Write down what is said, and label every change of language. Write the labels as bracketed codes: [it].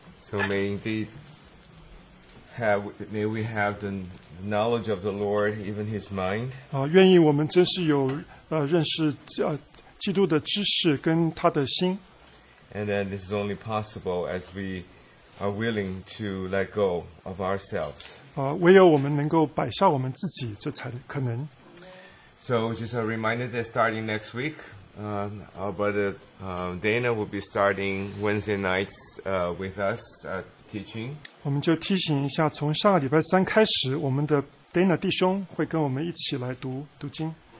[en] So may indeed may we have the knowledge of the Lord, even His mind. [zh] 愿意我们真是有认识基督的知识跟他的心。 [en] And then this is only possible as we are willing to let go of ourselves. [zh] 唯有我们能够摆下我们自己，这才可能。 [en] So just a reminder that starting next week, our brother Dana will be starting Wednesday nights with us teaching. [zh] 我们就提醒一下，从下个礼拜三开始，我们的 Dana 弟兄会跟我们一起来读经。